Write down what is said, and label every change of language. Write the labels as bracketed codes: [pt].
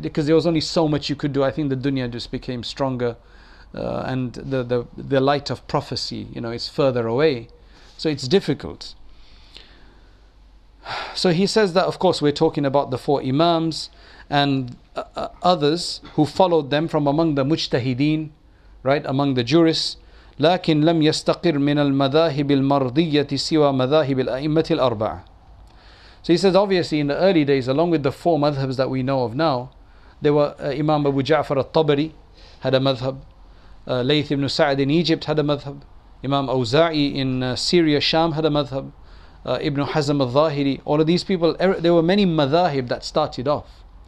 [en] Because there was only so much you could do. I think the dunya just became stronger, and the light of prophecy, you know, is further away. So it's difficult. So he says that, of course, we're talking about the four imams and others who followed them from among the mujtahideen, right, among the jurists. [ar] لكن لم يستقر من المذاهب المرضية سوى مذاهب الأئمة الأربعة. [en] So he says, obviously, in the early days, along with the four madhabs that we know of now, There were Imam Abu Ja'far al-Tabari had a madhab. Layth ibn Sa'd in Egypt had a madhab. Imam Awza'i in Syria, Sham had a madhab. Ibn Hazm al-Zahiri, all of these people, there were many madhahib that started off.